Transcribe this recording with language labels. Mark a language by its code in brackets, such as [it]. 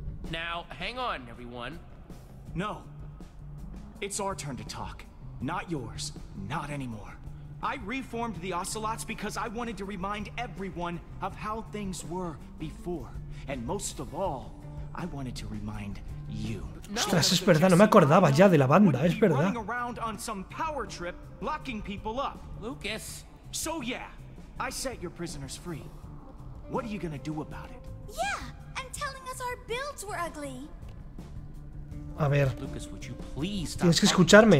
[en] Now, hang on, everyone. No. It's our turn to talk. Not yours. Not anymore. I reformed the Ocelots because I wanted to remind everyone of how things were before. And most of all, I wanted to remind you. [es] Ostras, es verdad, no me acordaba ya de la banda, es verdad. [en] Running around on some power trip, blocking people up. Lucas. So yeah, I set your prisoners free. What are you gonna do about it? Yeah, and telling us our builds were ugly. [es] A ver. [en] Lucas, would you please stop? [es] Tienes que escucharme.